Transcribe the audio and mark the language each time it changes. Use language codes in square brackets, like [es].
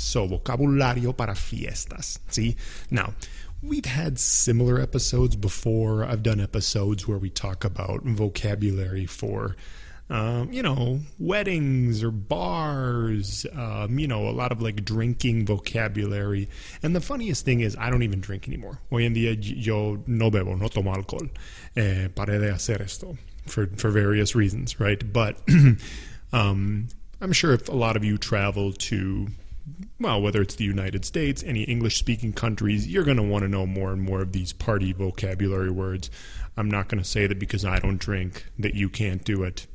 [en] So, [es] vocabulario para fiestas. [en] See? Now, we've had similar episodes before. I've done episodes where we talk about vocabulary for, weddings or bars, a lot of like drinking vocabulary. And the funniest thing is I don't even drink anymore. [es] Hoy en día yo no bebo, no tomo alcohol. Paré de hacer esto [en] for various reasons, right? But I'm sure if a lot of you travel to, well, whether it's the United States, any English-speaking countries, you're going to want to know more and more of these party vocabulary words. I'm not going to say that because I don't drink that you can't do it.